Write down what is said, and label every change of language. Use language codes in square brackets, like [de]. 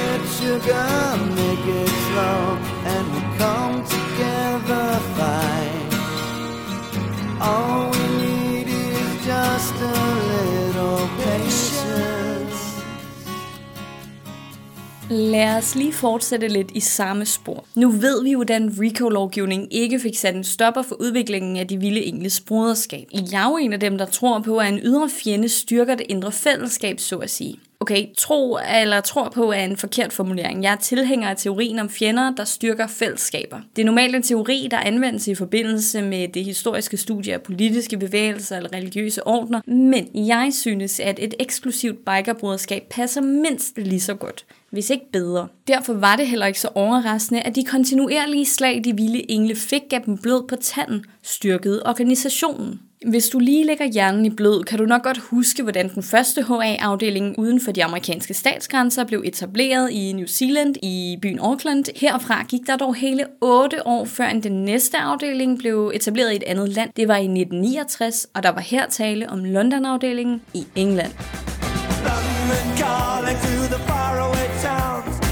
[en] Sugar, make it slow, and we'll come together fine. All we need is just a little patience. [da] Lad os lige fortsætte lidt i samme spor. Nu ved vi, hvordan RICO-lovgivningen ikke fik sat en stopper for udviklingen af de vilde engles broderskab. I jeg er jo en af dem, der tror på, at en ydre fjende styrker det indre fællesskab, så at sige. Okay, tro eller tror på er en forkert formulering. Jeg er tilhænger af teorien om fjender, der styrker fællesskaber. Det er normalt en teori, der anvendes i forbindelse med det historiske studie af politiske bevægelser eller religiøse ordner, men jeg synes, at et eksklusivt bikerbroderskab passer mindst lige så godt, hvis ikke bedre. Derfor var det heller ikke så overraskende, at de kontinuerlige slag, de vilde engle fik, gav dem blod på tanden, styrkede organisationen. Hvis du lige lægger hjernen i blød, kan du nok godt huske, hvordan den første HA-afdeling uden for de amerikanske statsgrænser blev etableret i New Zealand i byen Auckland. Herfra gik der dog hele 8 år, før den næste afdeling blev etableret i et andet land. Det var i 1969, og der var her tale om London-afdelingen i England. [en] London calling to the faraway towns.